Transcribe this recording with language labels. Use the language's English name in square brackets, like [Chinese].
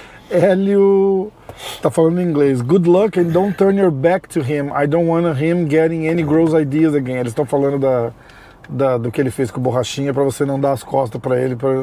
[Portuguese] Hélio tá falando em inglês. [English] Good luck and don't turn your back to him. I don't want him getting any gross ideas again. [Portuguese] Eles estão falando do que ele fez com o Borrachinha pra você não dar as costas pra ele.